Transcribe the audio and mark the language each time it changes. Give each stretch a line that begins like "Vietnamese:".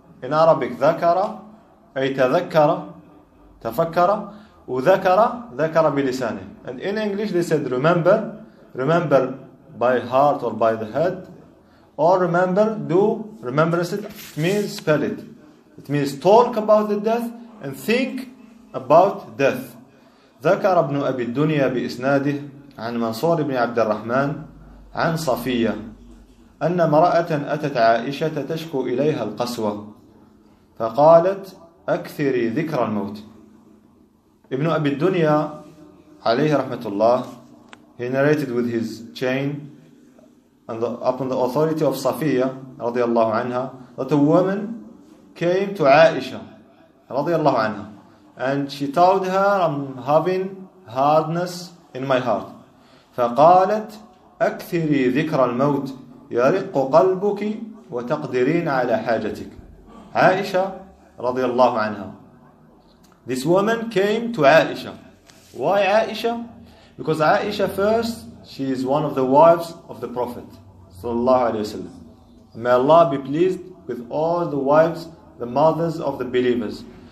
English: In Arabic,
Arabic: dhakara, ay tadhakara, tafakara, u dhakara, dhakara bilisani.
English: And in English, they said, remember, remember by heart or by the head, or remember, do, remembrance it, means spell it. It means talk about the death and think about death.
Arabic: ذكر ابن أبي الدنيا بإسناده عن منصور بن عبد الرحمن عن صفية أن امرأة أتت عائشة تشكو إليها القسوة فقالت أكثري ذكر الموت. ابن أبي الدنيا عليه رحمة الله,
English: he narrated with his chain upon the authority of صفية
Arabic: رضي الله عنها
English: that a woman came to Aisha radiallahu anha, and she told her, I'm having hardness in my heart.
Arabic: فقالت أكثري ذكر الموت يرق قلبك وتقدرين على حاجتك.
English: Aisha radiallahu anha, this woman came to Aisha. Why Aisha? Because Aisha, first, she is one of the wives of the Prophet sallallahu alayhi wa sallam. May Allah be pleased with all the wives, the mothers of the believers.